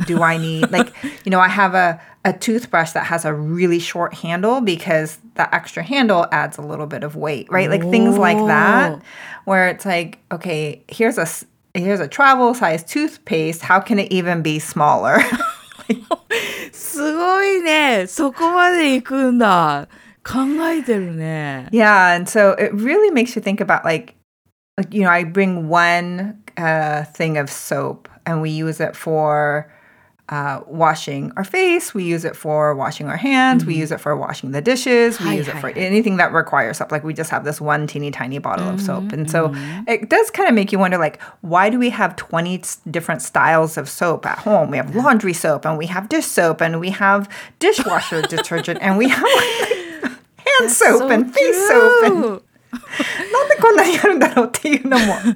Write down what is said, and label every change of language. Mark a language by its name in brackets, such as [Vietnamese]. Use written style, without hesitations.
[English] Do I need, like, you know, I have a toothbrush that has a really short handle because the extra handle adds a little bit of weight, right? Like things like that, where it's like, okay, here's a travel size toothpaste. How can it even be smaller? [Japanese] すごいね。そこまで行くんだ。考えてるね。 [English] Yeah, and so it really makes you think about, like, you know, I bring one thing of soap, and we use it for washing our face. We use it for washing our hands. Mm-hmm. We use it for washing the dishes. We use it for anything that requires soap. Like, we just have this one teeny tiny bottle of soap. And so it does kind of make you wonder, like, why do we have 20 different styles of soap at home? We have laundry soap, and we have dish soap, and we have dishwasher detergent, and we have, like, hand That's soap so and cute. Face soap. [Japanese] And なんでこんなにやるんだろうっていうのも。